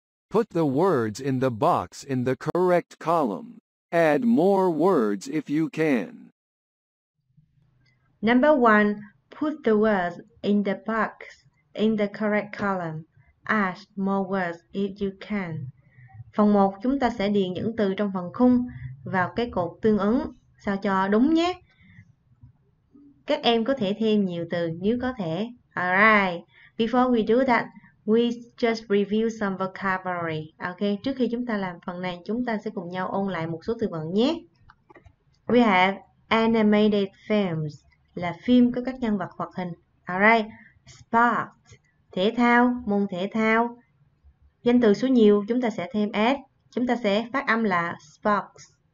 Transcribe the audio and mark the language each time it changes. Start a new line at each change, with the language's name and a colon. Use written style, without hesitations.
English: Put the words in the box in the correct column. Add more words if you can. Number 1. Put the words in the box in the correct column. Add more words if you can.
Vietnamese: Phần 1, chúng ta sẽ điền những từ trong phần khung vào cái cột tương ứng. Sao cho đúng nhé. Các em có thể thêm nhiều từ nếu có thể.
English: Alright, before we do that, we just review some vocabulary.
Vietnamese: Ok, trước khi chúng ta làm phần này, chúng ta sẽ cùng nhau ôn lại một số từ vựng nhé.
English: We have animated films,
Vietnamese: là phim có các nhân vật hoạt hình. Alright, sport, thể thao, môn thể thao. Danh từ số nhiều, chúng ta sẽ thêm S. Chúng ta sẽ phát âm là sports.